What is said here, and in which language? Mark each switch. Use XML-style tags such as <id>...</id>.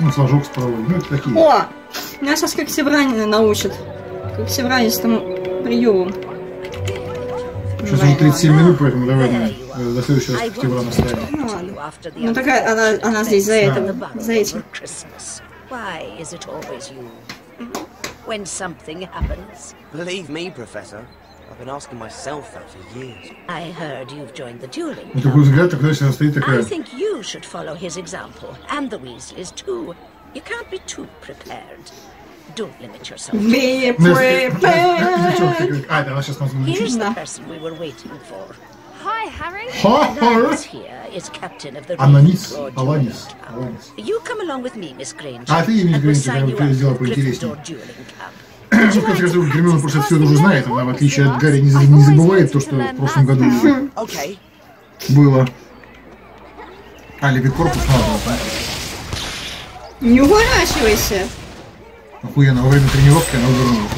<ru>Ну, флажок справа. Ну, это такие. О! Меня сейчас как севранина научат. Как севранец там приемом. Сейчас уже 37 минут, поэтому давай до следующего раз севрана ставим. Ну ладно. Ну такая она здесь за это. За этим.</ru> <en>Why is it always you? When something happens? Believe me, professor. I've been asking myself that for years. I heard you've joined the dueling club. I think you should follow his example, and the Weasleys too. You can't be too prepared. Don't limit yourself. Be prepared! Here's the person we were waiting for. Hi, Harry! Alanis here is captain of the Alanis. Alanis. You come along with me, Miss Granger. I think you, Miss Granger, I'm going to do something interesting.</en> <ru>Ну, как сказать, Гермиона просто все уже знает, она, в отличие от Гарри, не забывает то, что в прошлом году было. А, левикорпус надо было, да? Не уворачивайся! Охуенно, во время тренировки она увернулась.</ru>